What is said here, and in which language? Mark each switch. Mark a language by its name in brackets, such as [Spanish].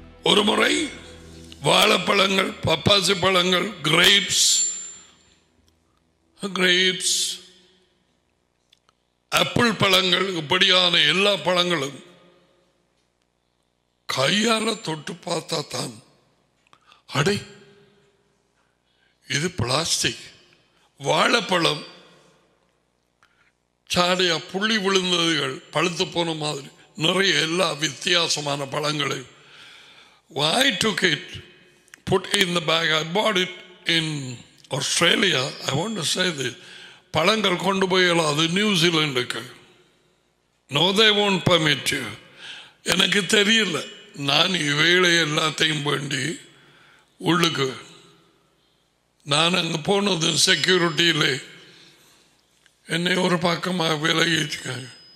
[Tamil] ஒரு முறை வாழைப்பழங்கள், பப்பாசி பழங்கள், கிரேப்ஸ், ஆப்பிள் பழங்கள், இப்படியான எல்லா பழங்களும் கையால தொட்டு பார்த்தா தான், அடே இது பிளாஸ்டிக். வாழைப்பழம் சாடையா புள்ளி விழுந்ததுகள், பழுத்து போன மாதிரி நிறைய எல்லா வித்தியாசமான பழங்களை. [English] Well, I took it, put it in the bag. I bought it in Australia. I want to say this. [Tamil] பழங்கள் கொண்டு போயலாது நியூசிலாண்டுக்கு. [English] No, they won't permit you. [Tamil] எனக்கு தெரியல. நான் இவைகளை எல்லாத்தையும் வேண்டி உள்ளுக்கு, நான் அங்கே போனது செக்யூரிட்டியில் என்னை ஒரு பக்கமாக விலகி வச்சுக்காங்க.